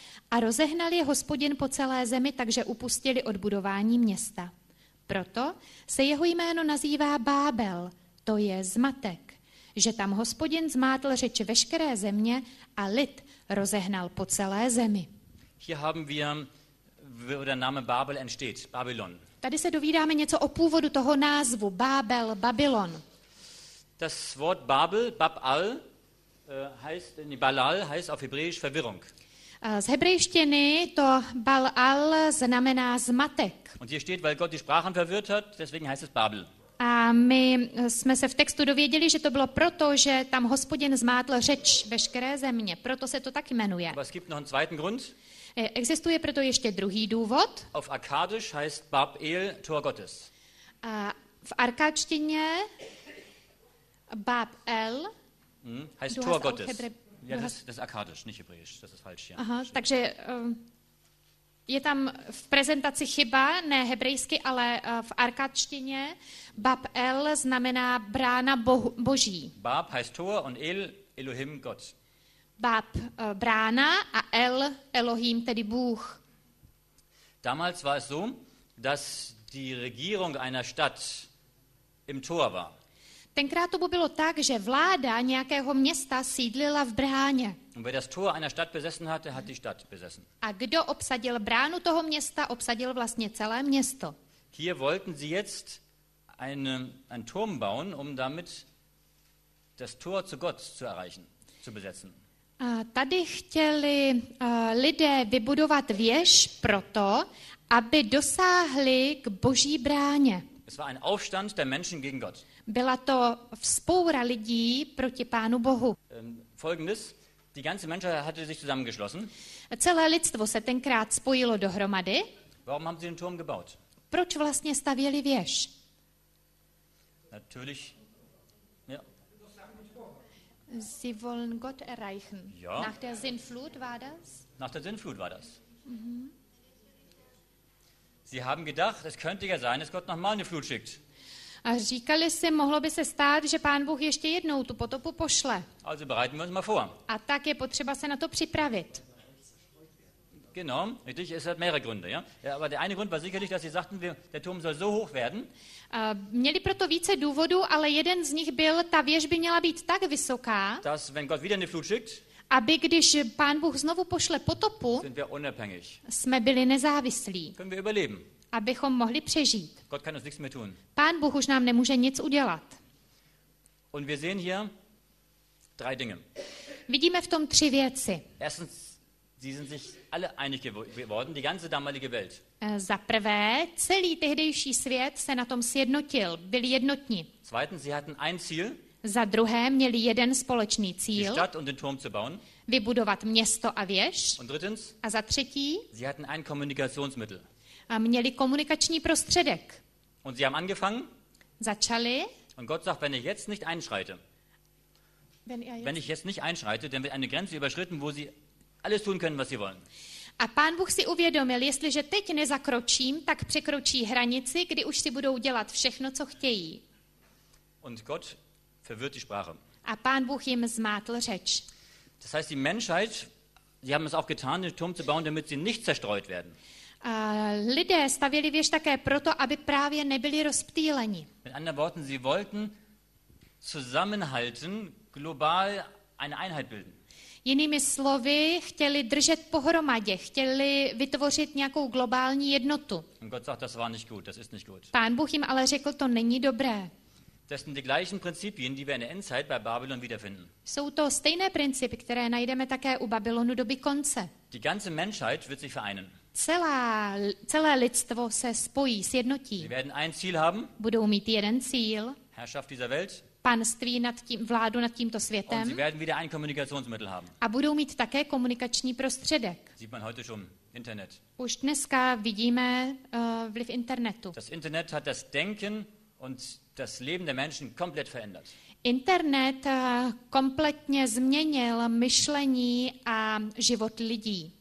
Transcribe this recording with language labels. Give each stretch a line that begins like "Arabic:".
Czech: A rozehnal je Hospodin po celé zemi, takže upustili od budování města. Proto se jeho jméno nazývá Bábel, to je zmatek. Že tam Hospodin zmátl řeč veškeré země a lid rozehnal po celé zemi.
German: Hier haben wir, wo der Name Babel entsteht, Babylon.
Czech: Tady se dovídáme něco o původu toho názvu Babel, Babylon.
German: Das Wort Babel, Babal, heißt in Balal heißt auf Hebräisch Verwirrung.
Czech: Z hebrejštiny to Balal znamená zmatek.
German: Und hier steht, weil Gott die Sprachen verwirrt hat, deswegen heißt es Babel.
Czech: A my jsme se v textu dověděli, že to bylo proto, že tam Hospodin zmátl řeč veškeré země. Proto se to tak jmenuje.
German: Aber es gibt noch einen zweiten Grund.
Czech: Existuje proto ještě druhý důvod.
German: Auf Akkadisch heißt Babel Tor Gottes.
Czech: A v arkáčtině Babel
German: heißt Tor Gottes. Ja, das ist Akkadisch, nicht Hebräisch. Das ist falsch, ja.
Czech: Aha, takže je tam v prezentaci chyba, ne hebrejsky, ale v arkáčtině Bab El znamená brána boží.
German: Bab heißt Tor und El, Elohim, Gott.
Czech: Bab, brána a El, Elohim, tedy Bůh.
German: Damals war es so, dass die Regierung einer Stadt im Tor war.
Czech: Tenkrát to bylo tak, že vláda nějakého města sídlila v bráně.
German: Und wer das Tor einer Stadt besessen hatte, hat die Stadt besessen.
Czech: A kdo obsadil bránu toho města, obsadil vlastně celé město.
German: Hier wollten sie jetzt einen Turm bauen, um damit das Tor zu Gott zu erreichen, zu besetzen.
Czech: A tady chtěli lidé vybudovat věž proto, aby dosáhli k boží bráně.
German: Es war ein Aufstand der Menschen gegen Gott.
Czech: Byla to vzpoura lidí proti Pánu Bohu.
German: Folgendes, die ganze Menschheit hatte sich zusammengeschlossen.
Czech: Celé lidstvo se tenkrát spojilo dohromady.
German: Warum haben sie den Turm gebaut?
Czech: Proč vlastně stavěli věž?
German: Natürlich. Ja. Sie wollen Gott erreichen. Ja. Nach der Sintflut war das? Nach der Sintflut war das. Sie haben gedacht, es könnte ja sein, dass Gott nochmal eine Flut schickt.
Czech: A říkali si, mohlo by se stát, že Pán Bůh ještě jednou tu potopu pošle.
German: Also bereiten wir uns mal vor.
Czech: A tak je potřeba se na to připravit.
German: Genau, richtig, es hat mehrere Gründe, ja? Ja, aber der eine Grund war sicherlich, dass sie sagten, der Turm soll so hoch werden.
Czech: Měli proto více důvodů, ale jeden z nich byl, ta věž by měla být tak vysoká,
German: dass, wenn Gott wieder eine Flut schickt,
Czech: aby když Pán Bůh znovu pošle potopu,
German: sind wir unabhängig.
Czech: Jsme byli nezávislí.
German: Können wir überleben.
Czech: Abychom mohli přežít.
German: Gott kann uns nichts mehr tun.
Czech: Pán Bůh už nám nemůže nic udělat.
German: Und wir sehen hier drei Dinge.
Czech: Vidíme v tom tři věci.
German: Erstens, sie sind sich alle einig geworden, die ganze damalige Welt.
Czech: Za prvé, celý tehdejší svět se na tom sjednotil, byli jednotní.
German: Zweitens, sie hatten ein Ziel.
Czech: Za druhé, měli jeden společný cíl.
German: Die Stadt und den Turm zu bauen.
Czech: Vybudovat město a věž.
German: Und drittens,
Czech: a za třetí,
German: sie hatten ein Kommunikationsmittel.
Czech: A měli komunikační prostředek.
German: Und sie haben angefangen.
Czech: Začali.
German: Und Gott sagt, wenn ich jetzt nicht einschreite. Wenn ich jetzt nicht einschreite, dann wird eine Grenze überschritten, wo sie alles tun können, was sie wollen.
Czech: A Pán Bůh si uvědomil, jestliže teď nezakročím, tak překročí hranici, kdy už si budou dělat všechno, co chtějí.
German: Und Gott verwirrt die Sprache.
Czech: A Pán Bůh jim zmátl řeč.
German: Das heißt, die Menschheit, sie haben es auch getan, den Turm zu bauen, damit sie nicht zerstreut werden.
Czech: A lidé stavěli věž také proto, aby právě nebyli rozptýleni.
German: Mit anderen Worten, sie wollten zusammenhalten, global eine Einheit bilden.
Czech: Jinými slovy, chtěli držet pohromadě, chtěli vytvořit nějakou globální jednotu.
German: Und Gott sagt, das war nicht gut, das ist nicht gut.
Czech: Pán Bůh jim ale řekl, to není dobré.
German: Das sind die gleichen Prinzipien, die wir in der Endzeit bei Babylon wiederfinden.
Czech: Jsou to stejné principy, které najdeme také u Babylonu doby konce.
German: Die ganze Menschheit wird sich vereinen.
Czech: Celé lidstvo se spojí, sjednotí.
German: Sie werden ein Ziel haben.
Czech: Budou mít jeden cíl.
German: Herrschaft dieser Welt.
Czech: Panství nad tím, vládu nad tímto světem.
German: Und sie werden wieder ein Kommunikationsmittel haben.
Czech: A budou mít také komunikační prostředek.
German: Sieht man heute schon Internet.
Czech: Už dneska vidíme vliv internetu.
German: Das Internet hat das Denken und das Leben der Menschen komplett verändert.
Czech: Internet kompletně změnil myšlení a život lidí.